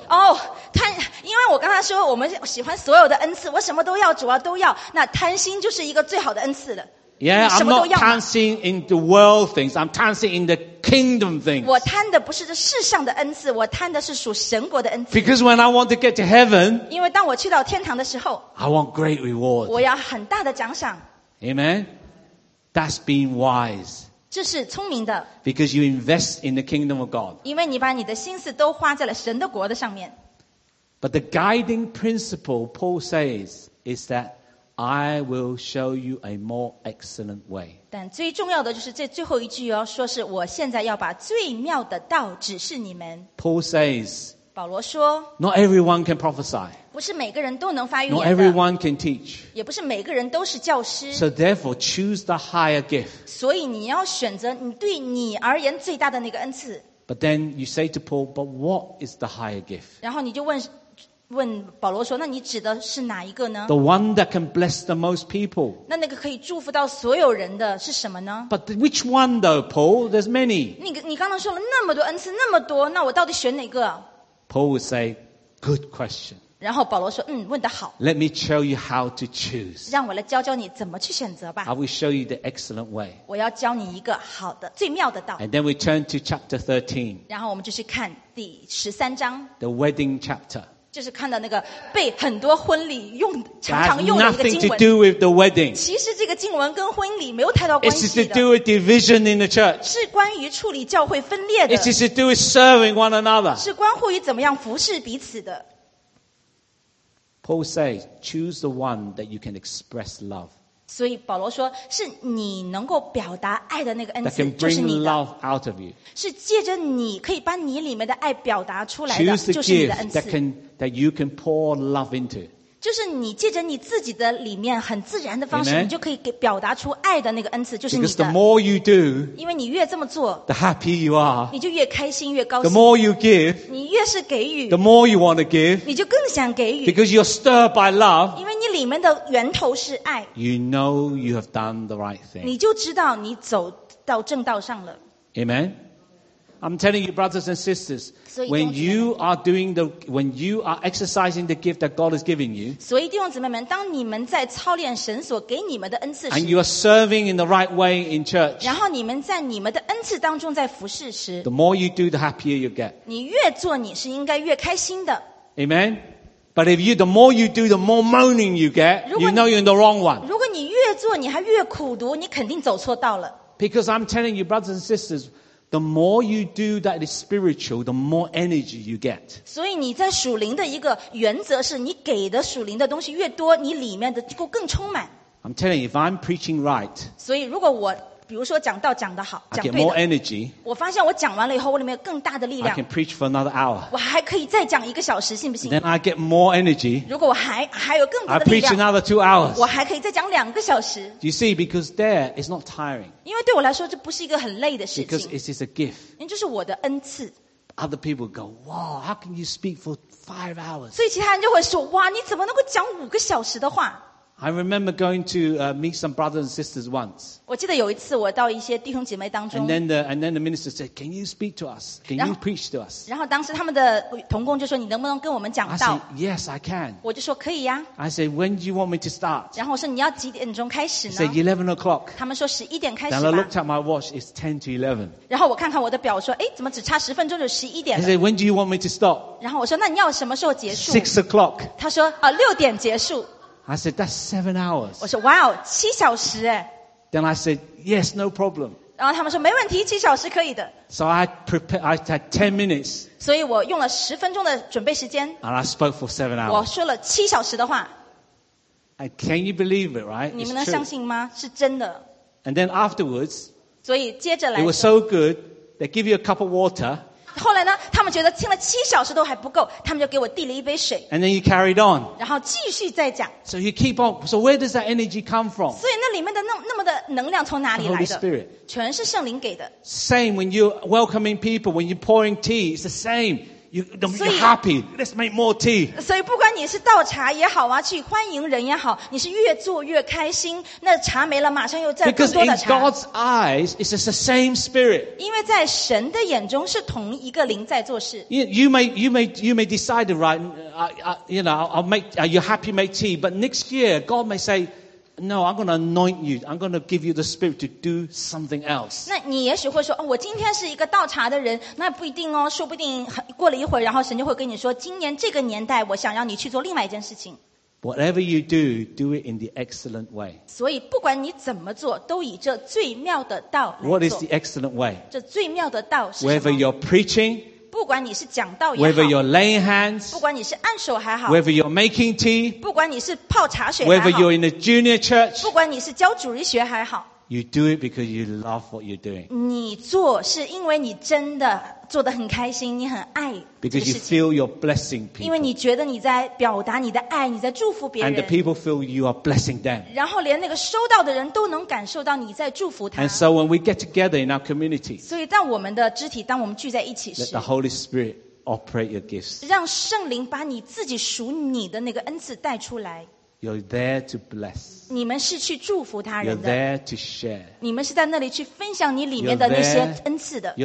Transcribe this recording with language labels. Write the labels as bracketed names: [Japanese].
[Chinese] 哦，贪，因为我刚才说我们喜欢所有的恩赐，我什么都要，主啊都要。那贪心就是一个最好的恩赐了。 [English] Yeah, I'm not [Chinese] 贪心 [English] in the world things. I'm 贪心 in the kingdom things. [Chinese] 我贪的不是这世上的恩赐，我贪的是属神国的恩赐。 [English] Because when I want to get to heaven, [Chinese] 因为当我去到天堂的时候， [English] I want great reward. [Chinese] 我要很大的奖赏。 [English] Amen. That's being wise. [Chinese] 这是聪明的。 [English] Because you invest in the kingdom of God. [Chinese] 因为你把你的心思都花在了神的国的上面。 [English] But the guiding principle Paul says is that I will show you a more excellent way. [Chinese] 但最重要的就是这最后一句哦，说是我现在要把最妙的道指示你们。 [English] Paul says, [Chinese] 保罗说， [English] Not everyone can prophesy. [Chinese] 不是每个人都能发预言的。 [English] Not everyone can teach. [Chinese] 也不是每个人都是教师。 [English] So therefore, choose the higher gift. [Chinese] 所以你要选择你对你而言最大的那个恩赐。 [English] But then you say to Paul, but what is the higher gift? [Chinese] 然后你就问保罗说，那你指的是哪一个呢？ [English] The one that can bless the most people. [Chinese] 那个可以祝福到所有人的是什么呢？ [English] But which one though, Paul? There's many. [Chinese] 你刚刚说了那么多恩赐，那么多，那我到底选哪个？ [English] Paul would say, good question. [Chinese] 然后保罗说，问得好。 [English] Let me show you how to choose. [Chinese] 让我来教教你怎么去选择吧。 [English] I will show you the excellent way. [Chinese] 我要教你一个好的，最妙的道。 [English] And then we turn to chapter 13. [Chinese] 然后我们就去看第13章。 [English] The wedding chapter. [Chinese] 就是看到那个被很多婚礼用常常用的一个经文。 [English] That has nothing to do with the wedding. [Chinese] 其实这个经文跟婚礼没有太多关系的。 [English] It is to do with division in the church. [Chinese] 是关于处理教会分裂的。 [English] It is to do with serving one another. [Chinese] 是关乎于怎么样服侍彼此的。 [English] Paul says, choose the one that you can express love. [Chinese] 所以保罗说，是你能够表达爱的那个恩赐，就是你的。 [English] That can bring love out of you. [Chinese] 是借着你可以把你里面的爱表达出来的，就是你的恩赐。 [English] Choose the gift that you can pour love into. [Chinese] 就是你借着你自己的里面很自然的方式，你就可以给表达出爱的那个恩赐，就是你的。 [English] Because the more you do, [Chinese] 因为你越这么做 [English] the happier you are, [Chinese] 你就越开心越高兴。 [English] The more you give, [Chinese] 你越是给予 [English] the more you want to give, [Chinese] 你就更想给予。 [English] Because you're stirred by love, [Chinese] 因为你里面的源头是爱。 [English] You know you have done the right thing. [Chinese] 你就知道你走到正道上了。 [English] Amen. I'm telling you, brothers and sisters, when you are exercising the gift that God has given you, [Chinese] 所以弟兄姊妹们，当你们在操练神所给你们的恩赐时， [English] and you are serving in the right way in church, [Chinese] 然后你们在你们的恩赐当中在服侍时， [English] the more you do, the happier you get. [Chinese] 你越做，你是应该越开心的。 [English] Amen. But if you, the more you do, the more moaning you get, you know you're in the wrong one. [Chinese] 如果你越做，你还越苦读，你肯定走错道了。 [English] Because I'm telling you, brothers and sisters,The more you do that is spiritual, the more energy you get. [Chinese] 所以你在属灵的一个原则是，你给的属灵的东西越多，你里面的就更充满。 [English] I'm telling you, if I'm preaching right, [Chinese] 所以如果我比如说讲道讲得好，讲对的 [English] I get more energy. [Chinese] 我发现我讲完了以后，我里面有更大的力量。 [English] I can preach for another hour. [Chinese] 我还可以再讲一个小时，信不信？ [English] Then I get more energy. [Chinese] 如果我还有更多的力量， [English] I preach another 2 hours. [Chinese] 我还可以再讲两个小时。 [English] You see, because there is not tiring. [Chinese] 因为对我来说，这不是一个很累的事情。 [English] Because it is a gift. [Chinese] 因为这是我的恩赐。 [English] Other people go, wow, how can you speak for 5 hours? [Chinese] 所以其他人就会说，哇，你怎么能够讲五个小时的话？ [English] I remember going to meet some brothers and sisters once. [Chinese] 我记得有一次我到一些弟兄姐妹当中。 [English] And then the minister said, "Can you speak to us? Can you preach to us?" [Chinese] 然后当时他们的同工就说，你能不能跟我们讲道？ [English] I said, "Yes, I can." [Chinese] 我就说可以呀。 [English] I said, "When do you want me to start?" [Chinese] 然后我说你要几点钟开始呢？ [English] He said, 11 o'clock. [Chinese] 他们说11点开始吧。 [English] Then I looked at my watch. It's 10 to 11. [Chinese] 然后我看看我的表，说哎，怎么只差10分钟就11点了？ [English] He said, "When do you want me to stop?" [Chinese] 然后我说那你要什么时候结束？ [English] 6 o'clock. [Chinese] 他说啊，6点结束。 [English] I said, that's 7 hours. [Chinese] 我说 wow, 7小时耶。 [English] Then I said, yes, no problem. [Chinese] 然后他们说没问题，7小时可以的。 [English] So I had 10 minutes. [Chinese] 所以我用了10分钟的准备时间。 [English] And I spoke for 7 hours. [Chinese] 我说了7小时的话。 [English] And can you believe it, right? [Chinese] 你们能相信吗？是真的。 [English] And then afterwards, [Chinese] 所以接着来 [English] it was so good, they give you a cup of water. [Chinese] 后来呢他们觉得听了7小时都还不够，他们就给我递了一杯水。 [English] And then you carried on. [Chinese] 然后继续再讲。 [English] So you keep on. So where does that energy come from? [Chinese] 所以那里面的那么的能量从哪里来的？ [English] The Holy Spirit. [Chinese] 全是圣灵给的。 [English] Same when you're welcoming people, when you're pouring tea, it's the same. You're happy. Let's make more tea. [Chinese] 所以不管你是倒茶也好啊，去欢迎人也好，你是越做越开心，那茶没了马上又再更多的茶。 [English] Because in God's eyes, it's just the same spirit. [Chinese] 因为在神的眼中是同一个灵在做事。 [English] You may decide right, you know, you're happy make tea, but next year God may say,No, I'm going to anoint you. I'm going to give you the spirit to do something else. [Chinese] 那你也许会说，哦，我今天是一个倒茶的人，那不一定哦，说不定过了一会儿，然后神就会跟你说，今年这个年代，我想让你去做另外一件事情。 [English] Whatever you do, do it in the excellent way. [Chinese] 所以不管你怎么做，都以这最妙的道来做。 [English] What is the excellent way? [Chinese] 这最妙的道是什么？ [English] Whether you're preaching, [Chinese] 不管你是讲道也好 [English] Whether you're laying hands, [Chinese] 不管你是按手还好 [English] Whether you're making tea, [Chinese] 不管你是泡茶水还好 [English] Whether you're in a junior church, [Chinese] 不管你是教主日学还好 [English] You do it because you love what you're doing. [Chinese] 你做是因为你真的做得很开心，你很爱这个事情。 [English] Because you feel your blessing people. [Chinese] 因为你觉得你在表达你的爱，你在祝福别人。 [English] And the people feel you are blessing them. [Chinese] 然后连那个收到的人都能感受到你在祝福他。 [English] And so when we get together in our community. [Chinese] 所以在我们的肢体，当我们聚在一起时。 [English] Let the Holy Spirit operate your gifts. [Chinese] 让圣灵把你自己属你的那个恩赐带出来。 [English] You're there to bless. [Chinese] 你们是去祝福他人的。 [English] You're there to share. [Chinese] 你们是在那里去分享你里面的那些恩赐的。